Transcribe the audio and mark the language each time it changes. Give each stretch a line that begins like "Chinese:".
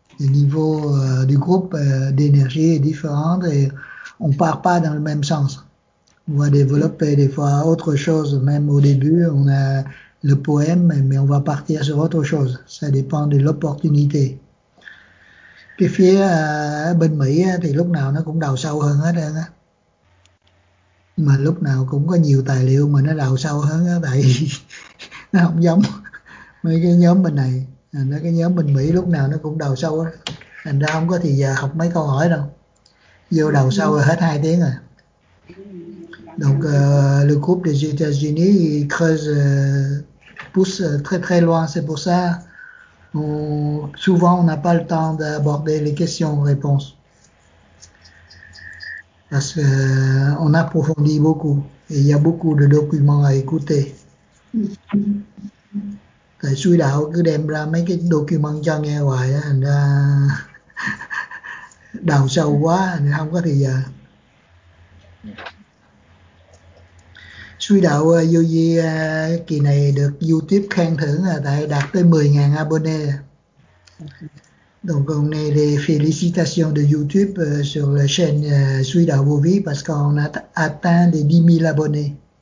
French: Le niveau du groupe d'énergie est différent et on ne part pas dans le même sens. On va développer des fois autre chose, même au début, on a le poème, mais on va partir sur autre chose. Ça dépend de l'opportunité.
Vietnamese: Cái phía bên Mỹ thì lúc nào nó cũng đào sâu hơn hết á. Mà lúc nào cũng có nhiều tài liệu mà nó đào sâu hơn á, tại nó không giống mấy cái nhóm bên này. Nó cái nhóm bên Mỹ lúc nào nó cũng đào sâu á. Thành ra không có thì giờ học mấy câu hỏi đâu. Vô đào sâu rồi hết 2 tiếng rồi.
French: Donc le groupe des États-Unis il creuse pousse très très loin, c'est pour ça souvent on n'a pas le temps d'aborder les questions-réponses parce qu'on approfondit beaucoup et il y a beaucoup de documents à écouter.
Vietnamese: Tại suy đạo cứ đem ra mấy cái document cho nghe hoài á, thành ra đào sâu quá thì không có thời giờ. Suy đạo Yogi kỳ này được YouTube khen thưởng là tại đạt tới 10.000 abonné.
French: Donc on a les félicitations de YouTube sur la chaîne Suy đạo Vô Vi parce qu'on a atteint les 10.000 abonnés.